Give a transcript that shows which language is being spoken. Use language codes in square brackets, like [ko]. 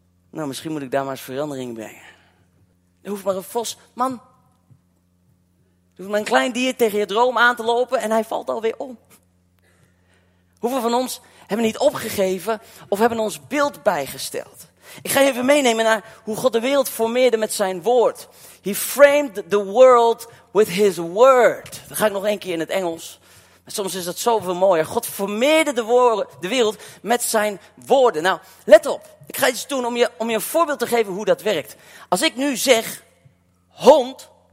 [nl] Nou, misschien moet ik daar maar eens verandering in brengen. Er hoeft maar een vos, man. Er hoeft maar een klein dier tegen je droom aan te lopen en hij valt alweer om. Hoeveel van ons hebben niet opgegeven of hebben ons beeld bijgesteld? Ik ga je even meenemen naar hoe God de wereld formeerde met zijn woord. [en] He framed the world with his word. [nl] Dat ga ik nog één keer in het Engels. Maar soms is dat zoveel mooier. God formeerde de wereld met zijn woorden. Nou, let op. Ik ga iets doen om je een voorbeeld te geven hoe dat werkt. Als ik nu zeg, hond,